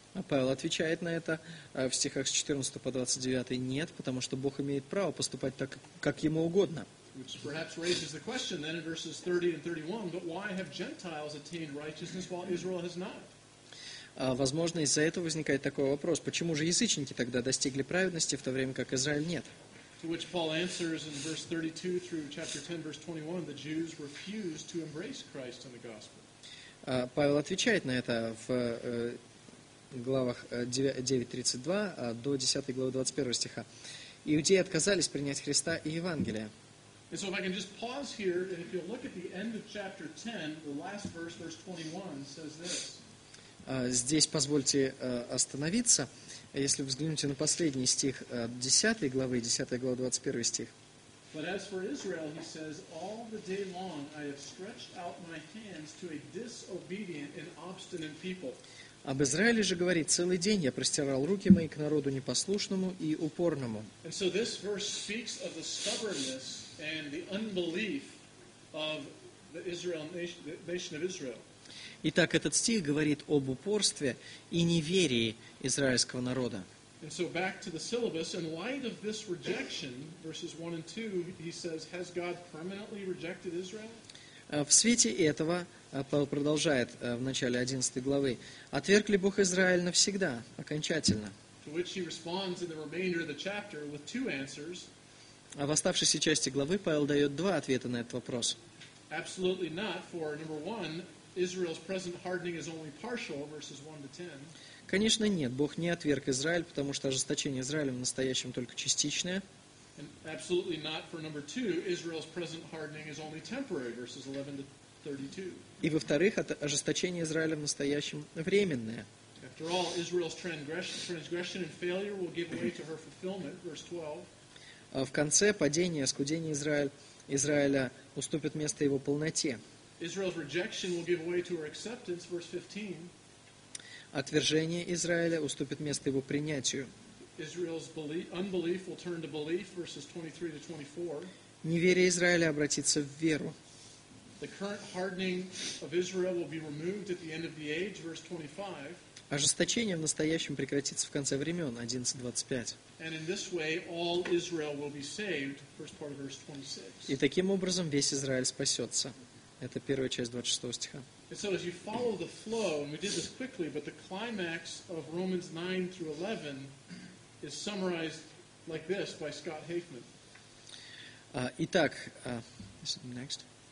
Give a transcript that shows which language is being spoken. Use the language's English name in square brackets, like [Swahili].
[Russian] А Павел отвечает на это в стихах с 14 по 29, нет, потому что Бог имеет право поступать так, как ему угодно. [English] Which perhaps raises the question then in verses 30 and 31, but why have Gentiles attained righteousness while Israel has not? [Russian] Возможно, из-за этого возникает такой вопрос, почему же язычники тогда достигли праведности, в то время как Израиль нет? [English] To which Paul answers in verse 32 through chapter 10, verse 21, the Jews refused to embrace Christ in the gospel. [Russian] Павел отвечает на это в главах 9.32 до 10 главы 21 стиха. Иудеи отказались принять Христа и Евангелие. [English] And so if I can just pause here, and if you'll look at the end of chapter 10, the last verse, verse 21, says this. [Russian] Здесь позвольте остановиться, если вы взглянете на последний стих 10 главы, 10 глава 21 стих. [English] But as for Israel, he says, all the day long I have stretched out my hands to a disobedient and obstinate people. [Russian] Об Израиле же говорит, целый день я простирал руки мои к народу непослушному и упорному. [English] And so this verse speaks of the stubbornness and the unbelief of the Israel nation, the nation of Israel. [Russian] Итак, этот стих говорит об упорстве и неверии израильского народа. [English] And so back to the syllabus, in light of this rejection, verses 1 and 2, he says, has God permanently rejected Israel? [Russian] В свете этого, Павел продолжает в начале 11 главы, отверг ли Бог Израиль навсегда, окончательно? [English] To which he responds in the remainder of the chapter with two answers. [Russian] А в оставшейся части главы Павел дает два ответа на этот вопрос. [English] Absolutely not, for number one, Israel's present hardening is only partial, verses 1 to 10. [Russian] Конечно, нет, Бог не отверг Израиль, потому что ожесточение Израиля в настоящем только частичное. [English] And absolutely not for number two, Israel's present hardening is only temporary, verses 11 to 32. [Russian] И во-вторых, ожесточение Израиля в настоящем временное. [English] After all, Israel's transgression and failure will give way to her fulfillment, verse 12. [Russian] В конце падение, оскудение Израиля уступит место его полноте. [English] Israel's rejection will give way to her acceptance, verse 15. [Russian] Отвержение Израиля уступит место его принятию. [English] Israel's unbelief will turn to belief, verses 23 to 24. [Russian] Неверие Израиля обратится в веру. [English] The current hardening of Israel will be removed at the end of the age, verse 25. [Russian] Ожесточение в настоящем прекратится в конце времен, 11:25. [English] And in this way, all Israel will be saved, first part of verse 26. [Russian] И таким образом весь Израиль спасется. Это первая часть 26 стиха. [English] And so as you follow the flow, and we did this quickly, but the climax of Romans 9 through 11 is summarized like this by Scott Haefman. [Russian] Итак, [English] is it next?